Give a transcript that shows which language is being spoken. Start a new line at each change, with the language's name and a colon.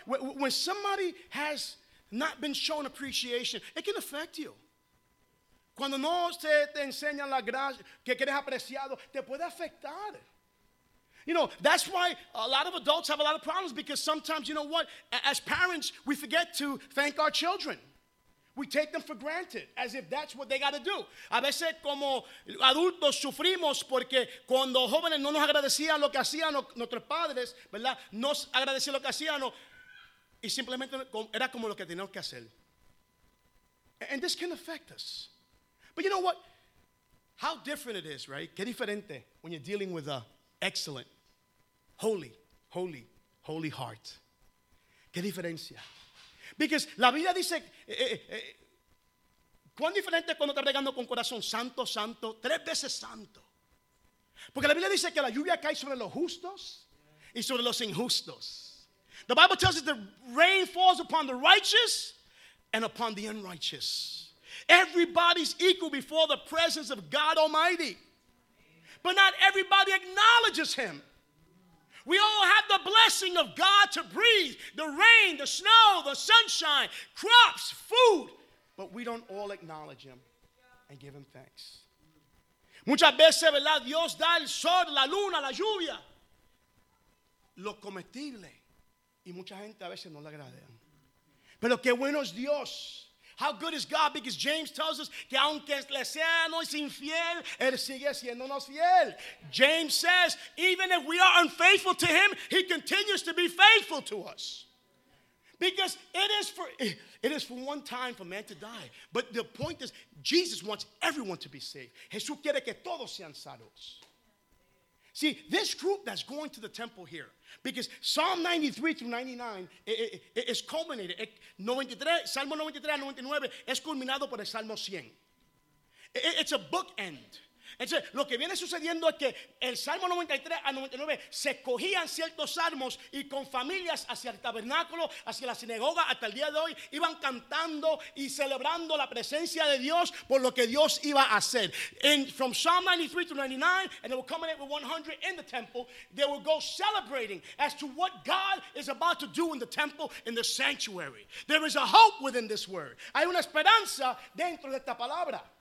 English: When somebody has not been shown appreciation, it can affect you.
Spanish: Cuando no se te enseña la gracia, que eres apreciado, te puede afectar.
English: You know, that's why a lot of adults have a lot of problems, because sometimes, you know what, as parents, we forget to thank our children. We take them for granted, as if that's what they got to do.
Spanish: A veces como adultos sufrimos porque cuando jóvenes no nos agradecían lo que hacían nuestros padres, ¿verdad? No agradecían lo que hacían, no. Y simplemente era como lo que teníamos que hacer.
English: And this can affect us. But you know what? How different it is, right?
Spanish: Qué diferente
English: when you're dealing with an excellent, holy, holy, holy heart.
Spanish: Qué diferencia.
English: Because
Spanish: la Biblia dice, ¿cuán diferente cuando estás bregando con corazón santo, santo, tres veces santo? Porque la Biblia dice que la lluvia cae sobre los justos y sobre los injustos.
English: The Bible tells us the rain falls upon the righteous and upon the unrighteous. Everybody's equal before the presence of God Almighty. But not everybody acknowledges him. We all have the blessing of God to breathe, the rain, the snow, the sunshine, crops, food, but we don't all acknowledge him and give him thanks.
Spanish: Muchas veces, ¿verdad? Dios da el sol, la luna, la lluvia, lo comestible, y mucha gente a veces no le agradece. Pero qué bueno es Dios.
English: How good is God? Because James tells us
Spanish: que aunque le seamos infiel, él sigue siéndonos fiel.
English: James says, even if we are unfaithful to him, he continues to be faithful to us. Because it is for one time for man to die. But the point is, Jesus wants everyone to be saved.
Spanish: Jesús quiere que todos sean salvos.
English: See, this group that's going to the temple here, because Psalm 93 through 99 is culminated.
Spanish: Salmo 93 a 99 es culminado por el Salmo 100.
English: It's a bookend.
Spanish: Entonces, lo que viene sucediendo es que el Salmo 93 a 99 se cogían ciertos salmos y con familias hacia el tabernáculo, hacia la sinagoga, hasta el día de hoy, iban cantando y celebrando la presencia de Dios por lo que Dios iba a hacer.
English: And from Psalm 93 to 99, and they will culminate with 100 in the temple, they will go celebrating as to what God is about to do in the temple, in the sanctuary. There is a hope within this word.
Spanish: Hay una esperanza dentro de esta palabra.